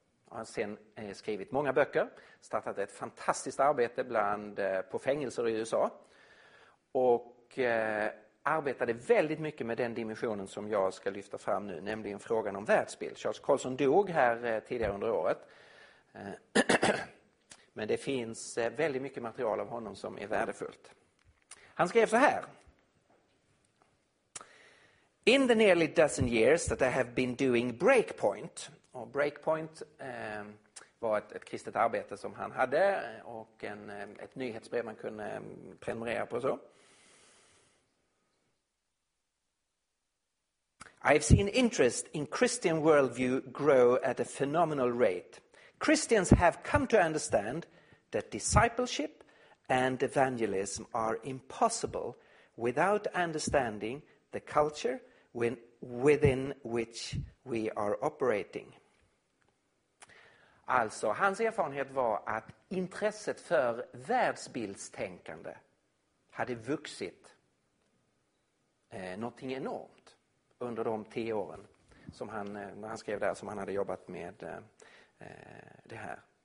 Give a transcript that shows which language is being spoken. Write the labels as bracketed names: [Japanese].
[Swedish] Han har sen skrivit många böcker, startat ett fantastiskt arbete på fängelser i USA och arbetade väldigt mycket med den dimensionen som jag ska lyfta fram nu, nämligen frågan om världsbild. Charles Colson dog här tidigare under året. Men det finns väldigt mycket material av honom som är värdefullt. Han skrev så här: [English] In the nearly dozen years that I have been doing Breakpoint. [Swedish] Och Breakpoint var ett kristet arbete som han hade, och ett nyhetsbrev man kunde prenumerera på så. [English] I have seen interest in Christian worldview grow at a phenomenal rate. Christians have come to understand that discipleship and evangelism are impossible without understanding the culture within which we are operating. [Swedish] Alltså, hans erfarenhet var att intresset för världsbildstänkande hade vuxit någonting enormt under de 10 åren som han, när han skrev där, som han hade jobbat med det här.